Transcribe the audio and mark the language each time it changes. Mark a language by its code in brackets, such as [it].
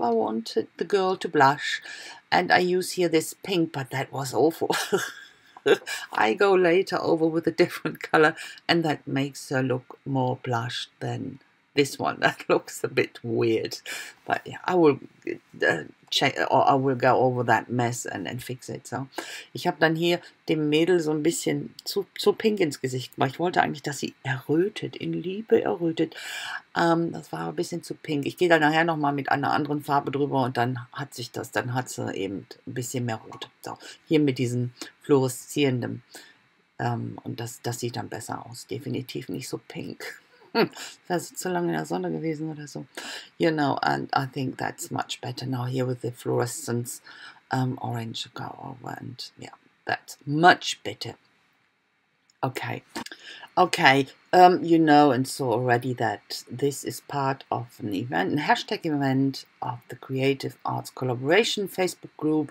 [en] I wanted the girl to blush, and I use here this pink, but that was awful. I go later over with a different color, and that makes her look more blushed than this one. That looks a bit weird, but yeah, I will check, or I will go over that mess and fix it. [de] So, ich habe dann hier dem Mädel so ein bisschen zu pink ins Gesicht gemacht. Ich wollte eigentlich, dass sie errötet, in Liebe errötet. Das war ein bisschen zu pink. Ich gehe dann nachher nochmal mit einer anderen Farbe drüber und dann hat sich das, dann hat sie eben ein bisschen mehr rot. So, hier mit diesem fluoreszierenden. Und das sieht dann besser aus. Definitiv nicht so pink. Das ist zu lange in der Sonne gewesen oder so. [en] You know, and I think that's much better now here with the fluorescence orange go over. And yeah, that's much better. Okay. Okay, you know and saw already that this is part of an event, a hashtag event of the Creative Arts Collaboration Facebook group.